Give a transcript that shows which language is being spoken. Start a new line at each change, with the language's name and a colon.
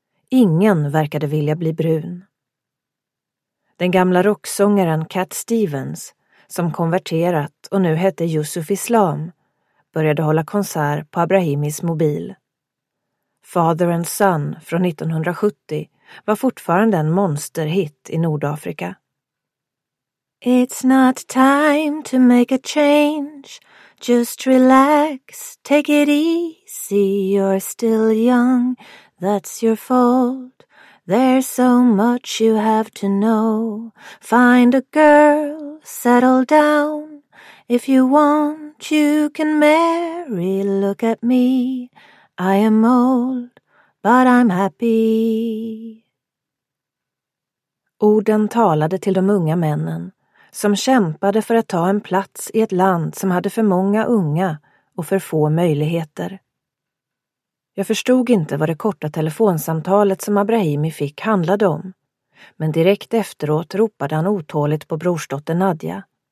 Swedish: Ingen verkade vilja bli brun. Den gamla rocksångaren Cat Stevens, som konverterat och nu hette Yusuf Islam, började hålla konsert på Abrahimis mobil. Father and Son från 1970 var fortfarande en monsterhit i Nordafrika.
English: It's not time to make a change. Just relax, take it easy, you're still young, that's your fault. There's so much you have to know. Find a girl, settle down. If you want, you can marry. Look at me, I am old, but I'm happy.
Swedish: Orden talade till de unga männen som kämpade för att ta en plats i ett land som hade för många unga och för få möjligheter. Jag förstod inte vad det korta telefonsamtalet som Abrahimi fick handlade om, men direkt efteråt ropade han otåligt på brorsdotter Nadja.